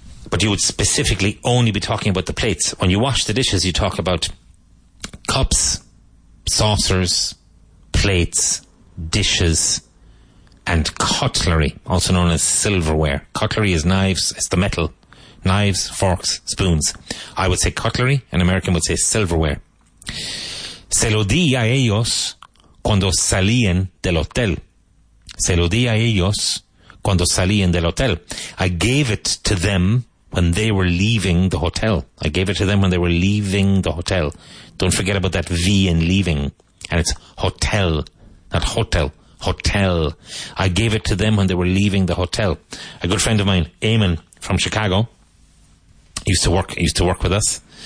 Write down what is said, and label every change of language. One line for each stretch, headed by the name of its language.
English: But you would specifically only be talking about the plates. When you wash the dishes, you talk about cups, saucers, plates, dishes, and cutlery, also known as silverware. Cutlery is knives, it's the metal. Knives, forks, spoons. I would say cutlery, an American would say silverware.
Spanish: Se lo di a ellos cuando salían del hotel. Se lo di a ellos cuando salían del hotel.
English: I gave it to them when they were leaving the hotel. I gave it to them when they were leaving the hotel. Don't forget about that V in leaving. And it's hotel, not hotel. Hotel. I gave it to them when they were leaving the hotel. A good friend of mine, Eamon, from Chicago, used to work with us.